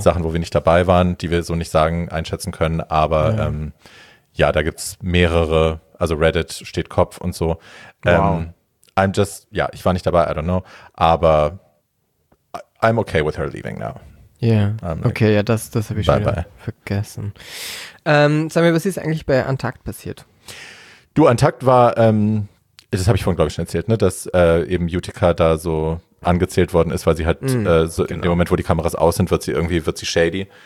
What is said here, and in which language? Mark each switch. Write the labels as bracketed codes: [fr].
[de] Sachen, wo wir nicht dabei waren, die wir so nicht sagen, einschätzen können. Aber da gibt es mehrere, also Reddit steht Kopf und so. Wow. Ich war nicht dabei, [en] I don't know. [de] Aber [en] I'm okay with her leaving now. [de] Yeah, das habe ich schon vergessen. Sag mir, was ist eigentlich bei Untucked passiert? Du, Untucked war das habe ich vorhin, glaube ich, schon erzählt, ne, dass eben Utica da so angezählt worden ist, weil sie halt in dem Moment, wo die Kameras aus sind, wird sie shady.